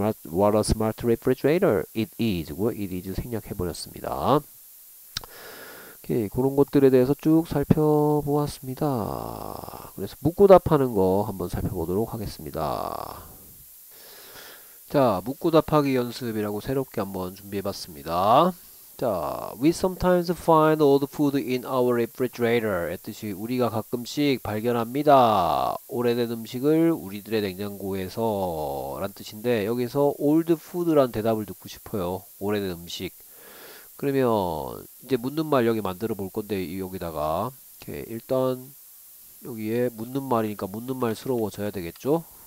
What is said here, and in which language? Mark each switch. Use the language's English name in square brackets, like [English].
[English] what a smart refrigerator it is. it is [Korean] 생략해 버렸습니다. 오케이, 그런 것들에 대해서 쭉 살펴보았습니다. 그래서 묻고 답하는 거 한번 살펴보도록 하겠습니다. 자, 묻고 답하기 연습이라고 새롭게 한번 준비해 봤습니다. [English] 자, we sometimes find old food in our refrigerator. [Korean] 했듯이 우리가 가끔씩 발견합니다. 오래된 음식을 우리들의 냉장고에서 란 뜻인데 여기서 [English] old food [Korean] 란 대답을 듣고 싶어요. 오래된 음식. 그러면 이제 묻는 말 여기 만들어 볼 건데 여기다가 이렇게 일단 여기에 묻는 말이니까 묻는 말 스러워져야 되겠죠?